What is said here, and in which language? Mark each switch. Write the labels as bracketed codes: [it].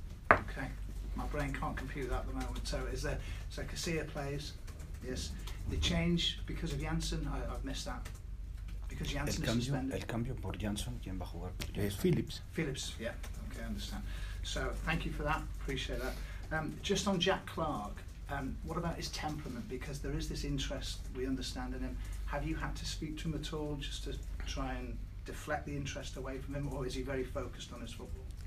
[en] Okay, my brain can't compute that at the moment. So Casilla plays, yes. The change because of Janssen, I've missed that. Because Janssen [es] el cambio, [en] suspended. [es] El cambio por Janssen, ¿quién va a jugar? [en] Phillips, yeah. Okay, I understand. So, thank you for that, appreciate that. Just on Jack Clark, what about his temperament? Because there is this interest, we understand, in him. Have you had to speak to him at all just to try and deflect the interest away from him, or is he very focused on his football?